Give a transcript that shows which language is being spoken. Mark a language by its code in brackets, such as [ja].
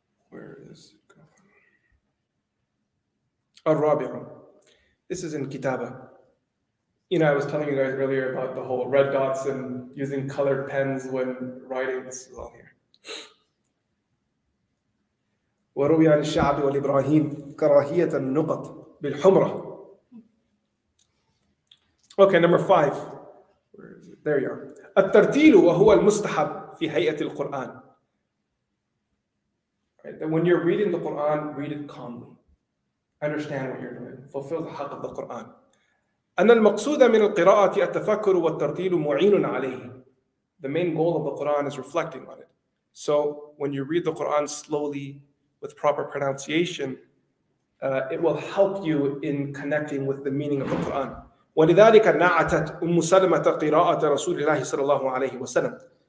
[en] Where is it going? Al-Rabi'un. This is in Kitabah. You know, I was telling you guys earlier about the whole red dots and using colored pens when writing. This is all here. [ar] وروي عن الشعب والإبراهيم كراهية النقط بالحمرة. [en] Okay, number 5. There you are. [ar] الترتيل وهو المستحب في هيئة القرآن. [en] Right, then when you're reading the Quran, read it calmly. Understand what you're doing. Fulfill the haqq of the Quran. [ar] أن المقصود من القراءة التفكر والترتيل معين عليه. [en] The main goal of the Quran is reflecting on it. So when you read the Quran slowly, with proper pronunciation, it will help you in connecting with the meaning of the Quran. [ar] وَلِذَٰلِكَ نَعَتَتْ أُمُّ سَلْمَةَ قِرَاءَةَ رَسُولِ اللَّهِ صَلَى اللَّهُ عَلَيْهِ وَسَلَمَ.